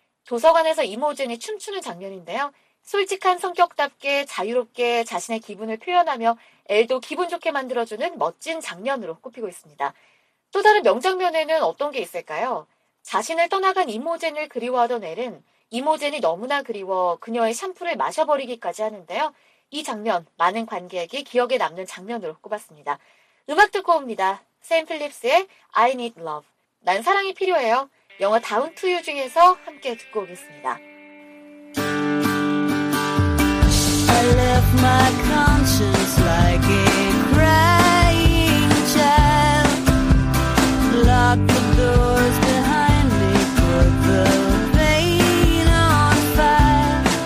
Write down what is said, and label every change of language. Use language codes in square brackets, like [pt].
[ko] 도서관에서 이모젠이 춤추는 장면인데요. 솔직한 성격답게 자유롭게 자신의 기분을 표현하며 엘도 기분 좋게 만들어주는 멋진 장면으로 꼽히고 있습니다. 또 다른 명장면에는 어떤 게 있을까요? 자신을 떠나간 이모젠을 그리워하던 엘은 이모젠이 너무나 그리워 그녀의 샴푸를 마셔버리기까지 하는데요. 이 장면 많은 관객이 기억에 남는 장면으로 꼽았습니다. 음악 듣고 옵니다. 샘 필립스의 I Need Love. 난 사랑이 필요해요. 영화 다운 투 유 중에서 함께 듣고 오겠습니다. [en] I left my conscience like a crying child. Lock the doors behind me for the pain on fire.